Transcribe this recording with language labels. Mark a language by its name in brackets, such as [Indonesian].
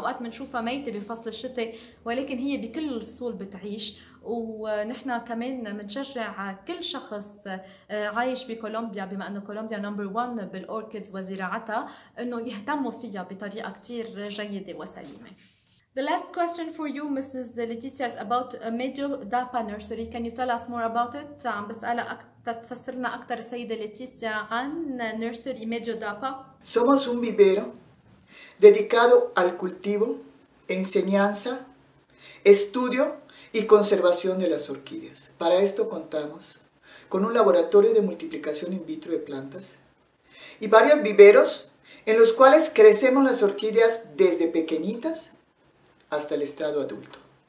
[Arabic] أوقات منشوفها ميتة بفصل الشتاء ولكن هي بكل الفصول بتعيش. ونحن كمان منشجع كل شخص عايش بكولومبيا بما أنه كولومبيا نمبر 1 بالأوركيدز وزراعتها أنه يهتموا فيها بطريقة كتير جيدة وسليمة. [English] The last question for you, Mrs. Leticia, is about a medio dapa nursery. Can you tell us more about it? [Arabic] عم بسألها تتفسر لنا أكثر السيدة Leticia عن nursery medio dapa. [Spanish] Somos un vivero dedicado al cultivo, enseñanza, estudio y conservación de las orquídeas. Para esto contamos con un laboratorio de multiplicación in vitro de plantas y varios viveros en los cuales crecemos las orquídeas desde pequeñitas hasta el estado adulto.